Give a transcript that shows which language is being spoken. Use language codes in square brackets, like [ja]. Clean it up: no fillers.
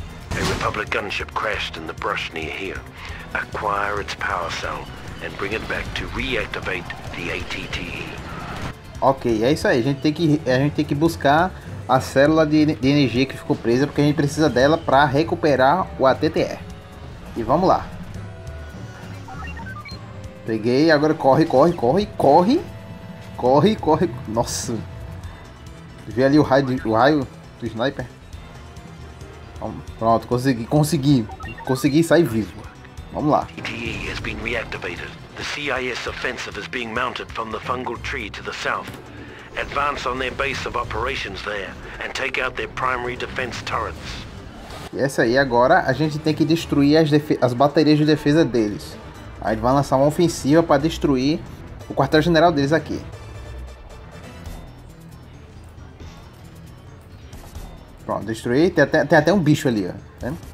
[en] A Republic gunship crashed in the brush near here. Acquire its power cell and bring it back to reactivate the ATTE. [pt] Ok, é isso aí. A gente tem que buscar a célula de energia que ficou presa, porque a gente precisa dela para recuperar o ATTE. E vamos lá. Peguei, agora corre, corre, corre, corre. Corre, corre. Nossa. Vi ali o raio do sniper. Pronto, consegui sair vivo. Vamos lá. [en] ATTE has been reactivated. The CIS offensive is being mounted from the fungal tree to the south. Advance on their base of operations there and take out their primary defense turrets. [pt] E essa aí, agora a gente tem que destruir as baterias de defesa deles. Aí vai lançar uma ofensiva para destruir o quartel-general deles aqui. Pronto, destruir. Tem até um bicho ali, ó. Tá?